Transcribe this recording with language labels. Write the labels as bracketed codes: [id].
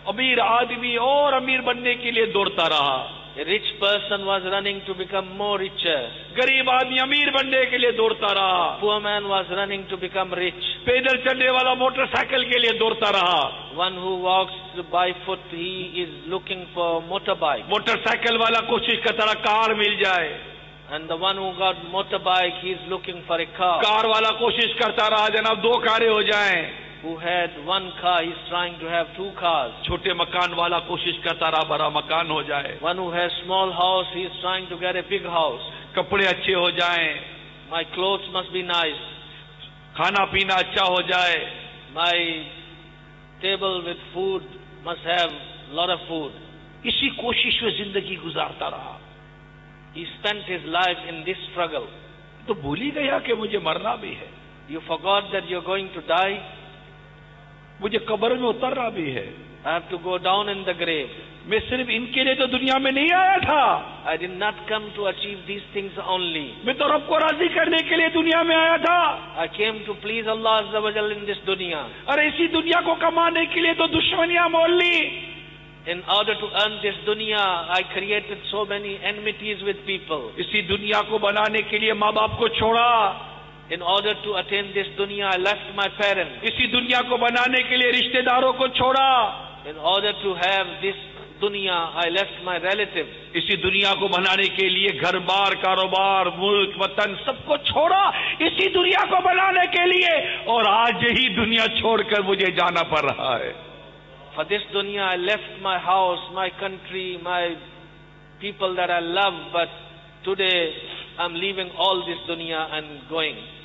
[ur] امیر آدمی اور امیر بننے کے لیے دوڑتا رہا, [en] a rich person was running to become more richer, [ur] غریب آدمی امیر بننے کے لیے دوڑتا رہا, [en] a poor man was running to become rich, [ur] پیدل چلنے والا موٹر سائیکل کے لیے دوڑتا رہا, [en] one who walks by foot he is looking for motorbike, [ur] motor cycle والا کوشش کرتا رہا کار مل جائے, [en] and the one who got motorbike he is looking for a car, [ur] کار والا کوشش کرتا رہا جناب دو کاریں ہو جائیں, [en] who had one car he is trying to have two cars, [ur] چھوٹے مکان والا کوشش کرتا رہا بڑا مکان ہو جائے, [en] one who has small house he is trying to get a big house, [ur] کپڑے اچھے ہو جائیں, [en] my clothes must be nice, [ur] کھانا پینا اچھا ہو جائے, [en] my table with food must have lot of food, [ur] اسی کوشش میں زندگی گزارتا رہا. [en] He spent his life in this struggle. [ur] تو بھول ہی گیا کہ مجھے مرنا بھی ہے. [en] You forgot that you're going to die. [ur] مجھے قبر میں اترنا بھی ہے. [en] I have to go down in the grave. [ur] میں صرف ان کے لیے تو دنیا میں نہیں آیا تھا. [en] I did not come to achieve these things only. [ur] میں تو رب کو راضی کرنے کے لیے دنیا میں آیا تھا. [en] I came to please Allah عز و جل in this دنیا. [ur] اور اسی دنیا کو کمانے کے لیے تو دشمنیاں مول لی. [en] In order to earn this دنیا I created so many enmities with people. [ur] اسی دنیا کو بنانے کے لیے ماں باپ کو چھوڑا. [en] In order to attain this دنیا I left my parents. [ur] اسی دنیا کو بنانے کے لیے رشتہ داروں کو چھوڑا. [en] In order to have this دنیا I left my relatives. [ur] اسی دنیا کو بنانے کے لیے گھر بار کاروبار ملک وطن سب کو چھوڑا. اسی دنیا کو بنانے کے لیے اور آج یہی دنیا چھوڑ کر مجھے جانا پڑ رہا ہے. [en] For this دنیا I left my house, my country, my people that I love, but today I'm leaving all this دنیا and going.